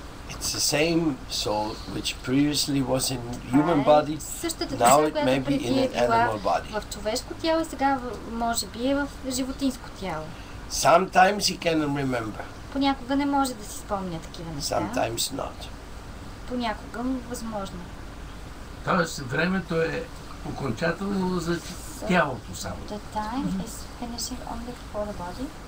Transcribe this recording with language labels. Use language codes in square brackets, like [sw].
[en] It's the same soul which previously was in human body, now it may be in an animal body. [bg] В човешко тяло, сега може би е в животинско тяло. [en] Sometimes he cannot remember. [bg] Понякога не може да си спомня такива неща. [en] Sometimes not. [bg] Понякога възможно. Тоест времето е окончателно за тялото само. [en] The time is finishing only for the body?